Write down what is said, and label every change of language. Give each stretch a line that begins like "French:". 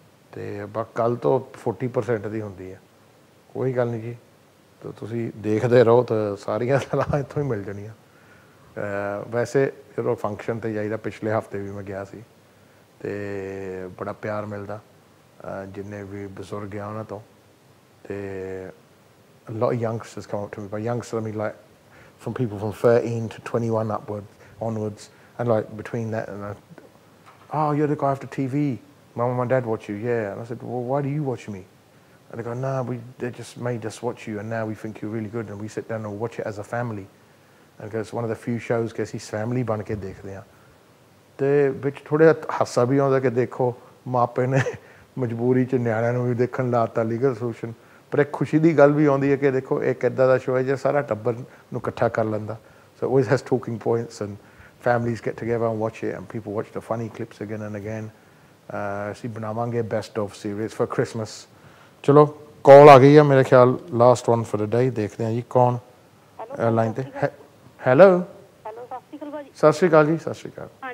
Punjabi: ਅਤੇ ਬਸ ਕੱਲ੍ਹ ਤੋਂ 40% ਦੀ ਹੁੰਦੀ ਹੈ ਕੋਈ ਗੱਲ ਨਹੀਂ ਜੀ ਤਾਂ ਤੁਸੀਂ ਦੇਖਦੇ ਰਹੋ ਤਾਂ ਸਾਰੀਆਂ ਸਲਾਹਾਂ ਇੱਥੋਂ ਹੀ ਮਿਲ ਜਾਣੀਆਂ ਵੈਸੇ ਚਲੋ ਫੰਕਸ਼ਨ 'ਤੇ ਜਾਈਦਾ ਪਿਛਲੇ ਹਫ਼ਤੇ ਵੀ ਮੈਂ ਗਿਆ ਸੀ ਅਤੇ ਬੜਾ ਪਿਆਰ ਮਿਲਦਾ ਜਿੰਨੇ ਵੀ ਬਜ਼ੁਰਗ ਆ ਉਹਨਾਂ ਤੋਂ ਅਤੇ
English: A lot of youngsters come up to me, but youngsters, I mean, like, from people from 13 to 21 onwards, and, like, between that and that, oh, you're the guy after TV. Mum and my dad watch you, yeah. And I said, well, why do you watch me? And they go, nah, they just made us watch you, and now we think you're really good, and we sit down and watch it as a family. And it's one of the few shows, because he's family, but I can see it. And they're a little bit surprised, and they're like, my parents are forced to watch legal solution.
Punjabi: ਪਰ ਇੱਕ ਖੁਸ਼ੀ ਦੀ ਗੱਲ ਵੀ ਆਉਂਦੀ ਹੈ ਕਿ ਦੇਖੋ ਇੱਕ ਇੱਦਾਂ ਦਾ ਸ਼ੋਅ ਹੈ ਜਿਹੜਾ ਸਾਰਾ ਟੱਬਰ ਨੂੰ ਇਕੱਠਾ ਕਰ ਲੈਂਦਾ
English: so it has talking points and families get together and watch it and people watch the funny clips again and again
Punjabi: ਅਸੀਂ ਬਣਾਵਾਂਗੇ
English: best of series for Christmas
Punjabi: ਚਲੋ ਕਾਲ ਆ ਗਈ ਆ ਮੇਰੇ ਖਿਆਲ
English: last one for the day
Punjabi: ਦੇਖਦੇ ਹਾਂ ਜੀ ਕੌਣ ਲਾਈਨ 'ਤੇ ਹੈਲੋ ਸਤਿ ਸ਼੍ਰੀ ਅਕਾਲ ਜੀ ਸਤਿ ਸ਼੍ਰੀ ਅਕਾਲ